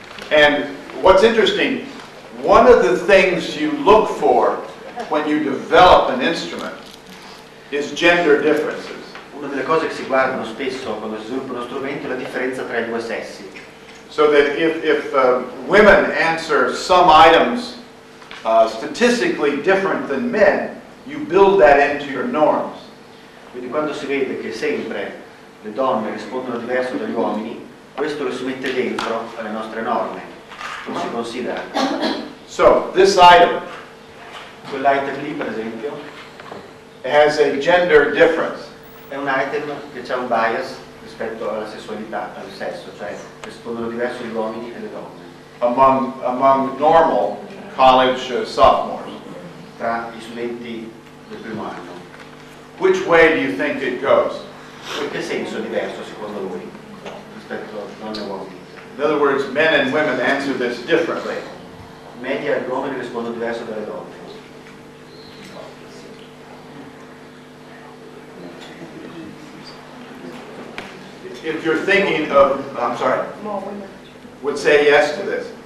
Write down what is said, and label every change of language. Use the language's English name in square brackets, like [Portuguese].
[English] And what's interesting, one of the things you look for when you develop an instrument is gender differences. [Italian] Una delle cose che si guardano spesso quando si sviluppa uno strumento è la differenza tra i due sessi. [English] So that if women answer some items statistically different than men, you build that into your norms. [Italian] Quindi quando si vede che sempre le donne rispondono diverso dagli uomini, questo lo si mette dentro alle nostre norme, lo si considera. [English] So, this item, [Italian] quell'item lì per esempio, [English] has a gender difference. [Italian] È un item che c'ha un bias rispetto alla sessualità, al sesso, cioè rispondono diverso gli uomini e le donne. [English] Among normal college sophomores. [Italian] Tra gli studenti del primo anno. [English] Which way do you think it goes? [Italian] In che senso è diverso secondo lui rispetto a donne e uomini? [English] In other words, men and women answer this differently. [Italian] Media e uomini rispondono diverso dalle donne. [English] If you're thinking of, I'm sorry, would say yes to this.